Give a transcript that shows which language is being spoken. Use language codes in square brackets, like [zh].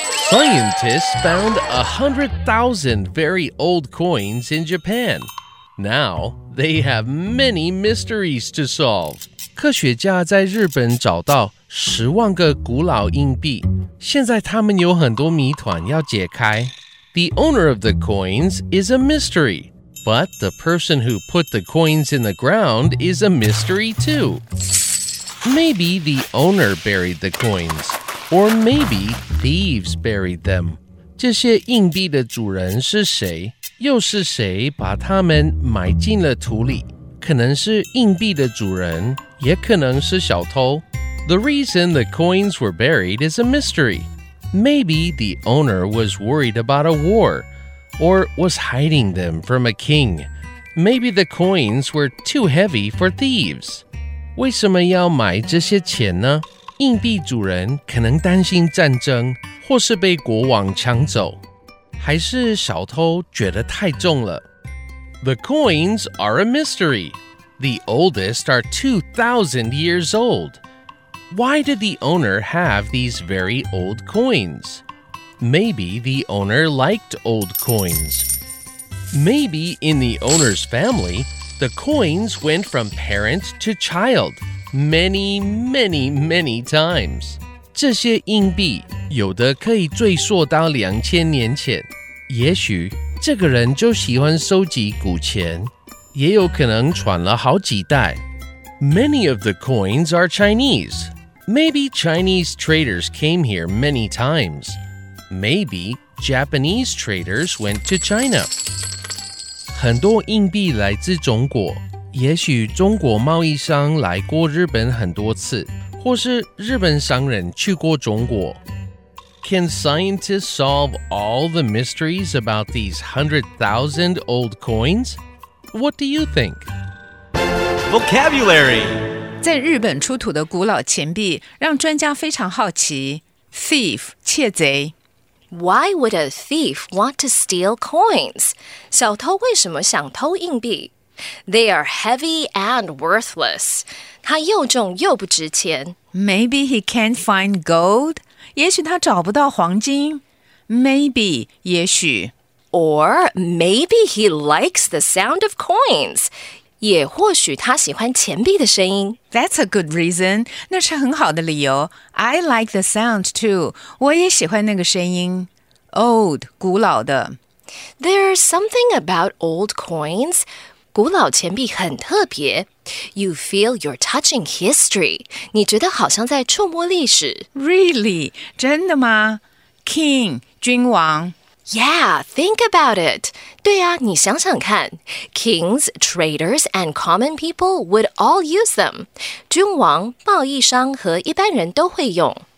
[en] Scientists found 100,000 very old coins in Japan. Now, they have many mysteries to solve. [zh] 科学家在日本找到100,000个古老硬币，现在他们有很多谜团要解开。 [en] The owner of the coins is a mystery, but the person who put the coins in the ground is a mystery too. Maybe the owner buried the coins, or maybe... Thieves buried them. [zh] 这些硬币的主人是谁？又是谁把它们埋进了土里？可能是硬币的主人，也可能是小偷。 [en] The reason the coins were buried is a mystery. Maybe the owner was worried about a war, or was hiding them from a king. Maybe the coins were too heavy for thieves. [zh] 为什么要埋这些钱呢？硬币主人可能担心战争，或是被国王抢走，还是小偷觉得太重了。 [en] The coins are a mystery. The oldest are 2,000 years old. Why did the owner have these very old coins? Maybe the owner liked old coins. Maybe in the owner's family, the coins went from parent to child. Many, many, many times. [zh] 这些硬币有的可以追溯到2000年前。也许这个人就喜欢收集古钱，也有可能传了好几代。 [en] Many of the coins are Chinese. Maybe Chinese traders came here many times. Maybe Japanese traders went to China. [zh] 很多硬币来自中国。也许中国贸易商来过日本很多次，或是日本商人去过中国。 [en] Can scientists solve all the mysteries about these 100,000 old coins? What do you think? Vocabulary. [zh] 在日本出土的古老钱币让专家非常好奇。 [en] Thief, 窃贼。 Why would a thief want to steal coins? [zh] 小偷为什么想偷硬币？ [en] They are heavy and worthless. [zh] 它又重又不值钱。 [en] Maybe he can't find gold. [zh] 也许他找不到黄金。 [en] Maybe, 也许。 Or maybe he likes the sound of coins. [zh] 也或许他喜欢钱币的声音。 [en] That's a good reason. [zh] 那是很好的理由。 [en] I like the sound too. [zh] 我也喜欢那个声音。Old, 古老的。 [en] There's something about old coins... [zh] 古老钱币很特别。 [en] You feel you're touching history. [zh] 你觉得好像在触摸历史。 [en] Really? [zh] 真的吗?King, 君王。 [en] Yeah, think about it. [zh] 对啊,你想想看。 [en] Kings, traders, and common people would all use them. [zh] 君王、贸易商和一般人都会用。